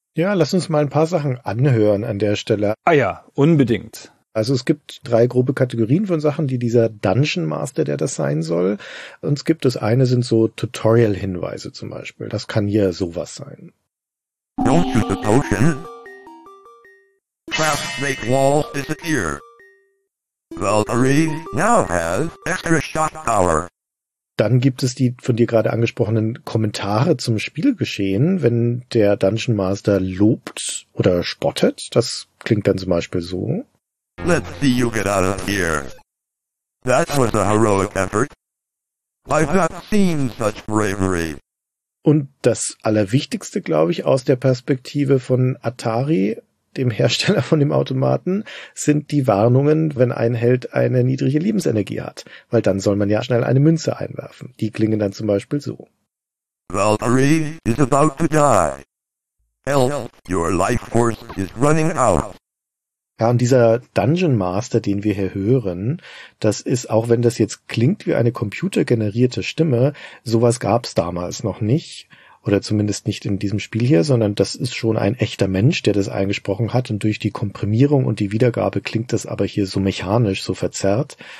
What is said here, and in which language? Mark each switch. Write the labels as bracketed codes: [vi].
[de] Ja, lass uns mal ein paar Sachen anhören an der Stelle. Ah ja, unbedingt. Also es gibt 3 grobe Kategorien von Sachen, die dieser Dungeon Master, der das sein soll, uns gibt. Das eine sind so Tutorial-Hinweise zum Beispiel. Das kann hier sowas sein. [en] Don't use the potion. Traps make walls disappear. Valkyrie now has extra shot power. [de] Dann gibt es die von dir gerade angesprochenen Kommentare zum Spielgeschehen, wenn der Dungeon Master lobt oder spottet. Das klingt dann zum Beispiel so. [en] Let's see you get out of here. That was a heroic effort. I've not seen such bravery. [de] Und das Allerwichtigste, glaube ich, aus der Perspektive von Atari, dem Hersteller von dem Automaten, sind die Warnungen, wenn ein Held eine niedrige Lebensenergie hat. Weil dann soll man ja schnell eine Münze einwerfen. Die klingen dann zum Beispiel so. [en] Valkyrie is about to die. Help, your life force is running out. [de] Ja, und dieser Dungeon Master, den wir hier hören, das ist, auch wenn das jetzt klingt wie eine computergenerierte Stimme, sowas gab es damals noch nicht. Oder zumindest nicht in diesem Spiel hier, sondern das ist schon ein echter Mensch, der das eingesprochen hat. Und durch die Komprimierung und die Wiedergabe klingt das aber hier so mechanisch, so verzerrt.